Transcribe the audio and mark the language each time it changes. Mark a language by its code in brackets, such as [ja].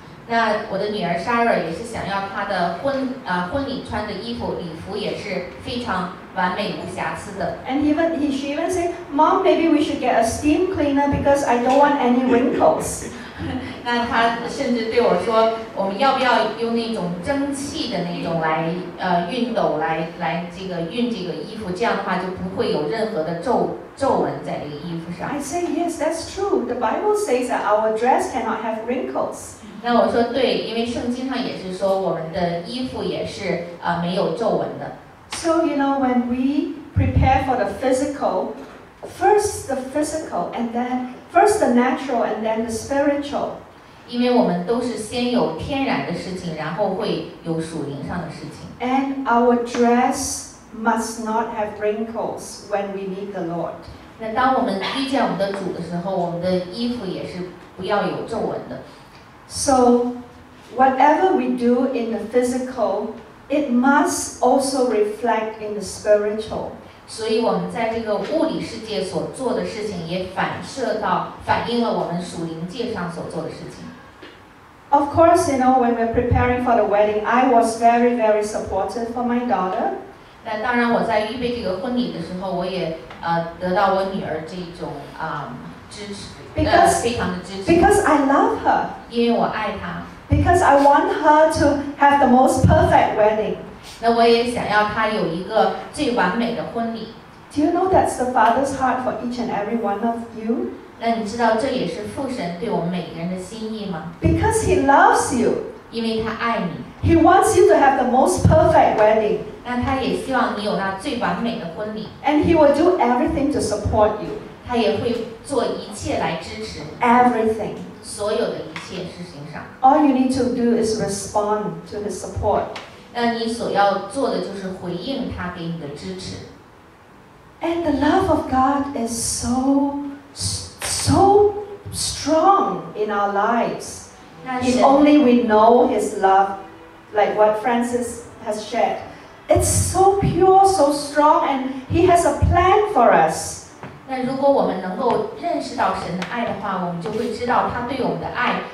[zh] 那我的女儿 Shara 也是想要她的婚礼穿的衣服礼服也是非常完美无瑕疵的。 [en] And she even said, Mom, maybe we should get a steam cleaner because I don't want any wrinkles. [zh] 那他甚至对我说，我们要不要用那种蒸汽的那种来熨斗来这个熨这个衣服，这样的话就不会有任何的皱纹在这个衣服上。 [en] I say yes, that's true. The Bible says that our dress cannot have wrinkles. [zh] 那我说对，因为圣经上也是说我们的衣服也是没有皱纹的。 [en] So you know when we prepare for the physical, first the physical and then first the natural and then the spiritual. [zh] 因为我们都是先有天然的事情，然后会有属灵上的事情。 [en] And our dress must not have wrinkles when we meet the Lord. [zh] 那当我们遇见我们的主的时候，我们的衣服也是不要有皱纹的。 [en] So whatever we do in the physical,It must also reflect in the spiritual. [zh] 所以我们在这个物理世界所做的事情也反映了我们属灵界上所做的事情。 [en] Of course, you know, when we're preparing for the wedding, I was very, very supportive for my daughter. [zh] 那当然我在预备这个婚礼的时候，我也得到我女儿这种支持， [en] because, [zh] 非常的支持。 [en] Because I love her. [zh] 因为我爱她。 [en] Because I want her to have the most perfect wedding. [zh] 那我也想要她有一个最完美的婚礼。 [en] Do you know that's the Father's heart for each and every one of you? [zh] 那你知道这也是父神对我们每个人的心意吗？ [en] Because He loves you. [zh] 因为他爱你。 [en] He wants you to have the most perfect wedding. [zh] 那他也希望你有那最完美的婚礼。 [en] And He will do everything to support you. [zh] 他也会做一切来支持。 [en] Everything. [zh] 所有的一切事情。 [en] All you need to do is respond to his support. [zh] 那你所要做的就是回应他给你的支持。 [en] And the love of God is so strong in our lives. If only we know his love, like what Francis has shared. It's so pure, so strong, and he has a plan for us. [zh] 那如果我们能够认识到神的爱的话，我们就会知道他对我们的爱。